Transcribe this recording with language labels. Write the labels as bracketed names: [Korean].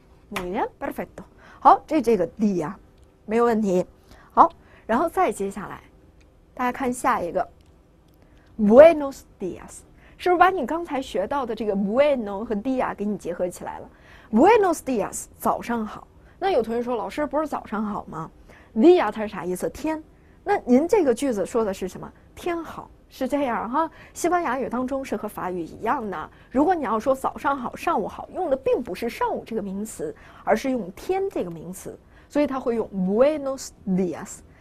[Spanish] Muy bien, perfecto。 [Chinese] 好，这个 D 啊没有问题。好，然后再接下来大家看下一个 [Spanish] Buenos Dias， [Chinese] 是不是把你刚才学到的这个 Bueno 和 Dia 给你结合起来了？ [Spanish] Buenos Dias， [Chinese] 早上好。那有同学说，老师不是早上好吗？Dia 它是啥意思？天。那您这个句子说的是什么？天好。是这样哈，西班牙语当中是和法语一样的，如果你要说早上好上午好，用的并不是上午这个名词，而是用天这个名词，所以它会用 [Spanish] Buenos Dias。